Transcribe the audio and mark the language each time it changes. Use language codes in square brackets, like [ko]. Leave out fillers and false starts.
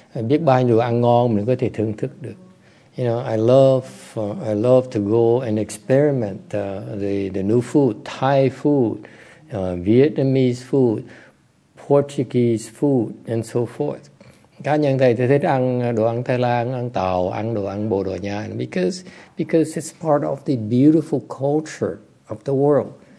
[vi] Biết bao nhiêu ăn ngon mình có thể thưởng thức được. [en] You know, I love to go and experiment the new food, Thai food, Vietnamese food, Portuguese food, and so forth. [vi] Cá nhân thầy thì thích ăn đồ ăn Thái Lan, ăn Tàu, ăn đồ ăn Bồ Đào Nha, [en] because it's part of the beautiful culture of the world.